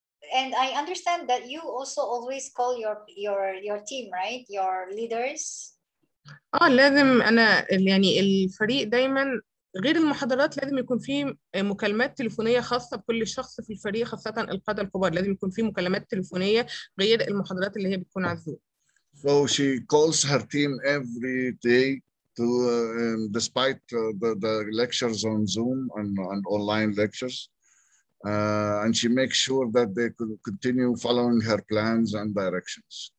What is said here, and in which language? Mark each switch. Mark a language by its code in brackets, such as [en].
[en] and I understand that you also always call your team, right? Your leaders? [ar] لازم أنا يعني الفريق دايماً غير المحاضرات لازم يكون في مكالمات تليفونيه خاصه بكل شخص في الفريق، خاصه القاده الكبار، لازم يكون في مكالمات تليفونيه غير المحاضرات اللي هي بتكون على الزوم. [en] So she calls her team every day to despite the lectures on Zoom and online lectures. And she makes sure that they could continue following her plans and directions.